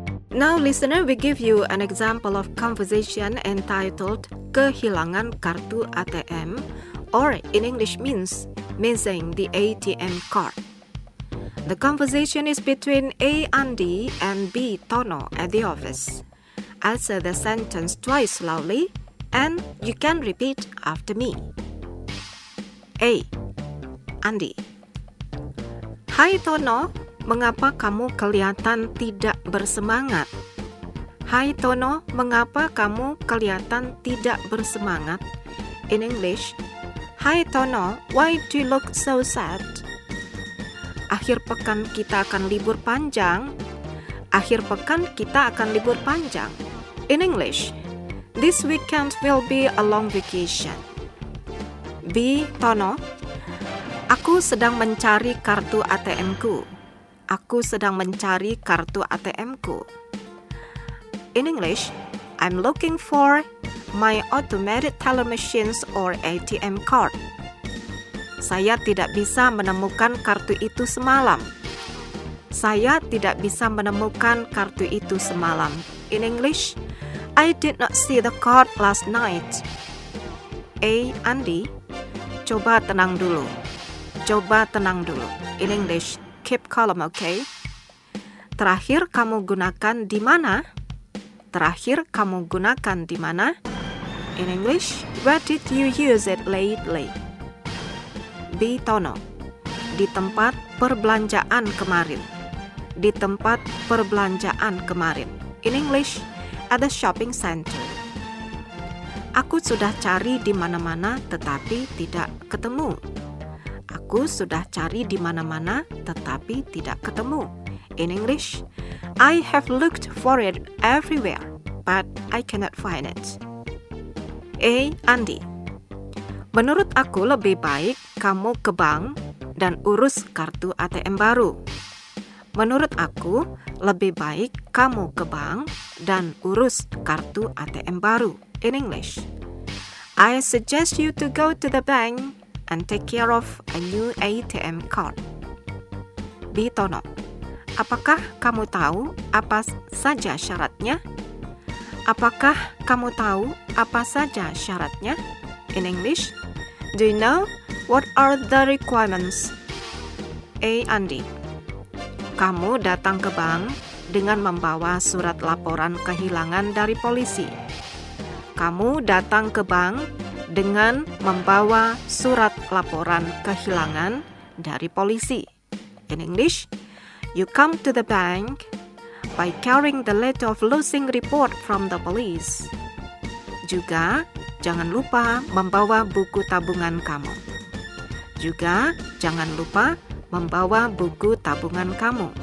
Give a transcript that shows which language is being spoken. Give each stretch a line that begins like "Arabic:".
English: Now, listener, we give you an example of conversation entitled
Indonesian: Kehilangan Kartu ATM,
English: or in English means missing the ATM card. The conversation is between A. Andi and B. Tono at the office. I'll say the sentence twice slowly, and you can repeat after me. A. Andi.
Indonesian: Hai Tono, mengapa kamu kelihatan tidak bersemangat? Hai Tono, mengapa kamu kelihatan tidak bersemangat?
English: In English, Hai Tono, why do you look so sad?
Indonesian: Akhir pekan kita akan libur panjang. Akhir pekan kita akan libur panjang.
English: In English, this weekend will be a long vacation. B. Tono,
Indonesian: Aku sedang mencari kartu ATM-ku. Aku sedang mencari kartu ATM-ku.
English: In English, I'm looking for my automated teller machines or ATM card.
Indonesian: Saya tidak bisa menemukan kartu itu semalam. Saya tidak bisa menemukan kartu itu semalam.
English: In English, I did not see the card last night. A.
Indonesian: Andy, coba tenang dulu. Coba tenang dulu.
English: In English, keep calm, okay?
Indonesian: Terakhir kamu gunakan di mana? Terakhir kamu gunakan di mana?
English: In English, where did you use it lately? B.
Indonesian: Tono, di tempat perbelanjaan kemarin. Di tempat perbelanjaan kemarin.
English: In English, at the shopping center.
Indonesian: Aku sudah cari di mana-mana tetapi tidak ketemu. Aku sudah cari di mana-mana tetapi tidak ketemu.
English: In English, I have looked for it everywhere, but I cannot find it. A.
Indonesian: Andy, menurut aku lebih baik kamu ke bank dan urus kartu ATM baru. Menurut aku, lebih baik kamu ke bank dan urus kartu ATM baru.
English: In English, I suggest you to go to the bank and take care of a new ATM card. B.
Indonesian: Tono, apakah kamu tahu apa saja syaratnya? Apakah kamu tahu apa saja syaratnya?
English: In English, do you know what are the requirements? A.
Indonesian: Andy, kamu datang ke bank dengan membawa surat laporan kehilangan dari polisi. Kamu datang ke bank dengan membawa surat laporan kehilangan dari polisi.
English: In English, you come to the bank by carrying the letter of losing report from the police.
Indonesian: Juga, jangan lupa membawa buku tabungan kamu. Juga, jangan lupa membawa buku tabungan kamu.